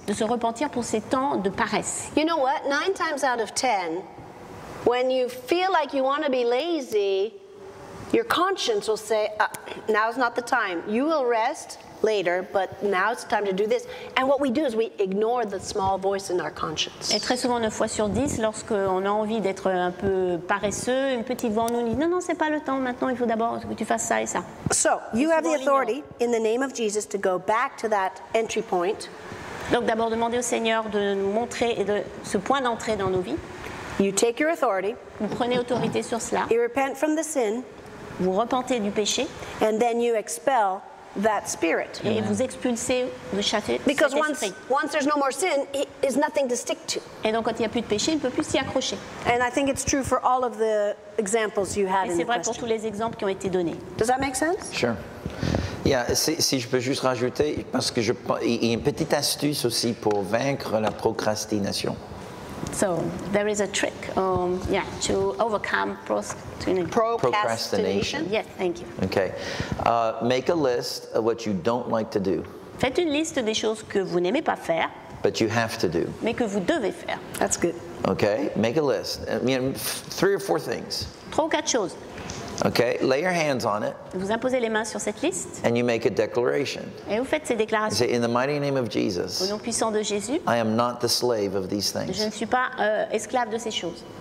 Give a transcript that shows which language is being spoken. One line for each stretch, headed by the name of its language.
French: De se repentir pour ces temps de paresse.
English: You know what? 9 times out of 10, when you feel like you want to be lazy, your conscience will say, now's not the time. You will rest later, but now it's time to do this. And what we do is we ignore the small voice in our conscience.
French: Et très souvent, 9 fois sur 10, lorsqu'on a envie d'être un peu paresseux, une petite voix en nous dit, non, c'est pas le temps maintenant, il faut d'abord que tu fasses ça et ça.
English: So, you have the authority in the name of Jesus to go back to that entry point.
French: Donc d'abord, demander au Seigneur de nous montrer ce point d'entrée dans nos vies.
English: You take your authority.
French: Vous prenez autorité sur cela.
English: You repent from the sin.
French: Vous repentez du péché.
English: And then you expel that spirit.
French: Et vous expulsez le châtier.
English: Because once there's no more sin, there's nothing to stick to.
French: Et donc quand il n'y a plus de péché, il ne peut plus s'y accrocher.
English: And I think it's true for all of the examples you had in the question.
French: Et c'est vrai pour tous les exemples qui ont été donnés.
English: Does that make sense? Sure.
French: Yeah, si je peux juste rajouter, parce que il y a une petite astuce aussi pour vaincre la procrastination.
English: So there is a trick, to overcome procrastination. Yes, thank you. Okay, make a list of what you don't like to do.
French: Faites une liste des choses que vous n'aimez pas faire.
English: But you have to do.
French: Mais que vous devez faire.
English: That's good. Okay, make a list. I mean, 3 or 4 things.
French: 3 ou 4 choses.
English: Okay, lay your hands on it.
French: Vous imposez les mains sur cette liste.
English: And you make a declaration.
French: Et vous faites ces déclarations.
English: You say, in the mighty name of Jesus.
French: Au nom puissant de Jésus.
English: I am not the slave of these things.
French: Je ne suis pas esclave de ces choses.